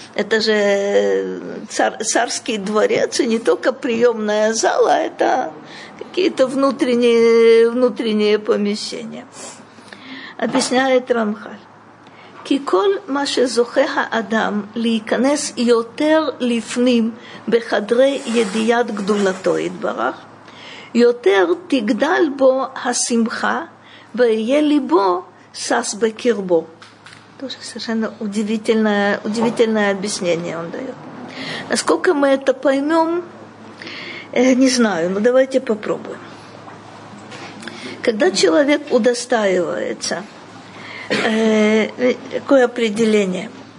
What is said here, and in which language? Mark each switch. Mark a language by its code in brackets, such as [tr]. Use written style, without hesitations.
[ru] Это же царский дворец, и не только приемная зала, это какие-то внутренние помещения. Объясняет Рамхаль. [he] כי כל מה שזוכה האדם להיכנס יותר לפנים בחדרי ידיעת גדולתו יתברך, יותר תגדל בו השמחה ויהיה ליבו סס בקרבו. תושה סרשנה, [ru] удивительное объяснение он дает. Насколько мы это поймем, не знаю, но давайте попробуем. Когда человек удостаивается, какое определение?